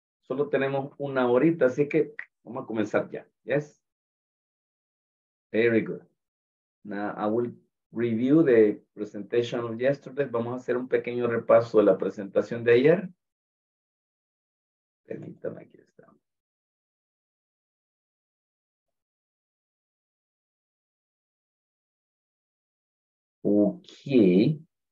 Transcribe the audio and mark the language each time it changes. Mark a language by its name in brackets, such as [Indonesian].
[Spanish] Solo tenemos una horita, así que vamos a comenzar ya. [English] Yes? Very good. Now I will review the presentation of yesterday. [Spanish] Vamos a hacer un pequeño repaso de la presentación de ayer. Permítame, aquí estamos. Okay.